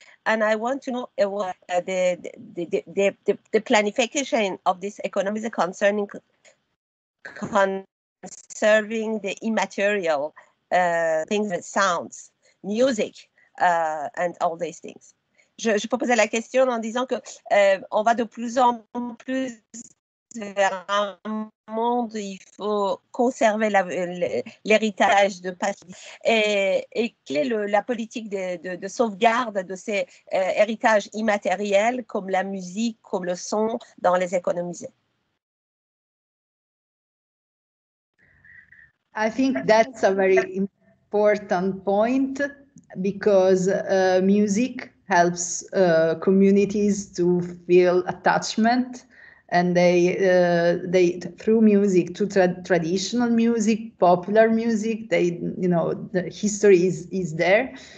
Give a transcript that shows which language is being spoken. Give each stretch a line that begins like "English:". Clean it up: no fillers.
English: And I want to know the planification of this economy concerning conserving the immaterial things and sounds, music, and all these things.
French: Je posais la question en disant que on va de plus en plus vers un monde où il faut conserver l'héritage de Paris. Et quelle est la politique de sauvegarde de ces héritages immatériels comme la musique, comme le son dans les économies?
English: I think that's a very important point because music helps communities to feel attachment, and they through music, to traditional music, popular music, they, you know, the history is there.